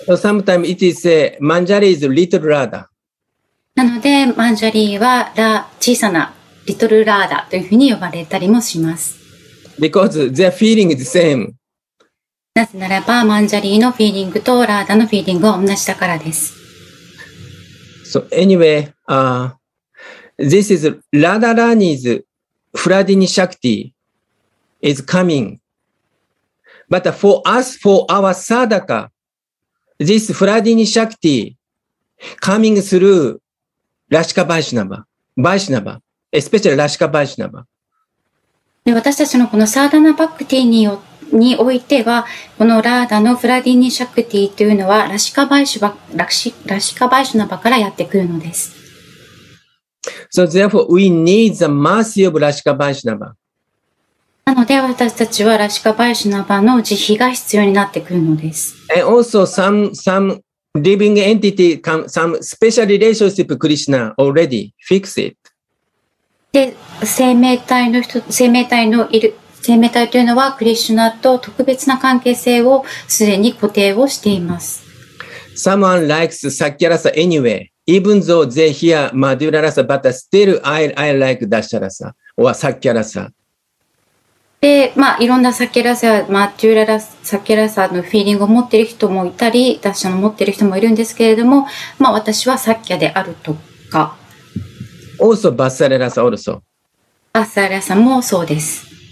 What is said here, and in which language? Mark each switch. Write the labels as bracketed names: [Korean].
[English] So sometimes it is said Manjari is little Radha. [Japanese] なので Manjari は小さなリトルラーダというふうに呼ばれたりもします。 [English] Because their feeling is the same. [Japanese] なぜならば、マンジャリーのフィーリングとラーダのフィーリングは同じだからです。 [English] So anyway, this is Radharani's Fladini Shakti is coming. But for us, for our Sadaka, this Fladini Shakti coming through Rashika Vaishnava, Vaishnava. Especially Rashika Vaishnava. [Japanese] で私たちのこのサーダナバクティ においてはこのラーダのフラディニシャクティというのはラシカバイシュバラシカバイシュナバからやってくるのです。 [English] So therefore we need the mercy of Rashika Vaishnava. [Japanese] なので私たちはラシカバイシュナバの慈悲が必要になってくるのです。 [English] And also some living entity come some special relationship Krishna already fix it. [Japanese] で生命体の人生命体のいる生命体というのはクリシュナと特別な関係性をすでに固定をしています。 [English] Someone likes Sakyarasa anyway, even though they hear Madhura Rasa, but still I like Dasharasa or Sakyarasa. [Japanese] で、まあいろんなサキャラサやマデュララサ、サキャラサのフィーリングを持っている人もいたり、ダッシャの持っている人もいるんですけれども、まあ私はサッキャであるとか。 [English] Also, Vatsalarasa also. [Japanese] Vatsalarasa もそうです。